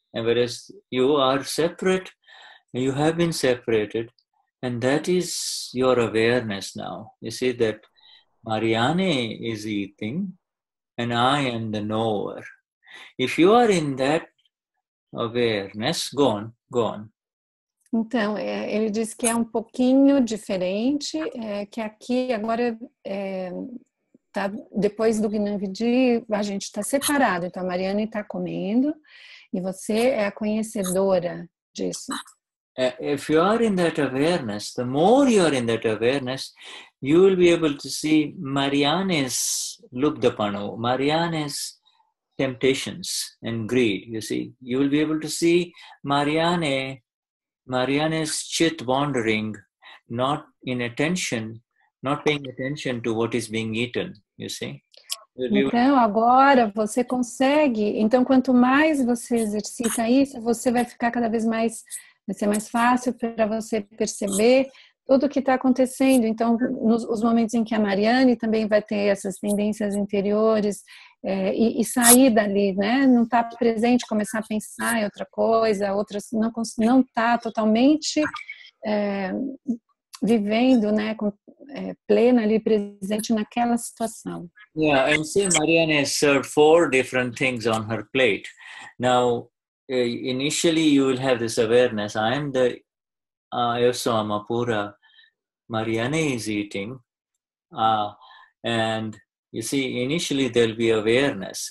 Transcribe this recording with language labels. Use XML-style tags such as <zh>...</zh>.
<en>And whereas you are separate, you have been separated, and that is your awareness now. You see that Mariane is eating, and I am the knower. If you are in that awareness, go on.</en> <pt>Então, ele diz que é um pouquinho diferente, que aqui agora... Tá, depois do Gnani Vidhi, a gente está separado. Então, a Mariane está comendo e você é a conhecedora disso.</pt> <en>If you are in that awareness, the more you are in that awareness, you will be able to see Mariane's lubdhapanoo, Mariane's temptations and greed, you see. You will be able to see Mariane's chit wandering, not in attention, not paying attention to what is being eaten. You see?</en> <pt>Então agora você consegue. Então quanto mais você exercita isso, você vai ficar cada vez mais, vai ser mais fácil para você perceber tudo o que está acontecendo. Então nos momentos em que a Mariane também vai ter essas tendências interiores e sair dali, né? Não está presente, começar a pensar em outra coisa, outras não está totalmente vivendo, né, plena ali presente naquela situação.</pt> <en>Yeah, and see, Mariane served four different things on her plate. Now, initially you will have this awareness, I am the</en> <pt>eu sou uma pura</pt> <en>Marianese eating. And you see, initially there'll be awareness.</en>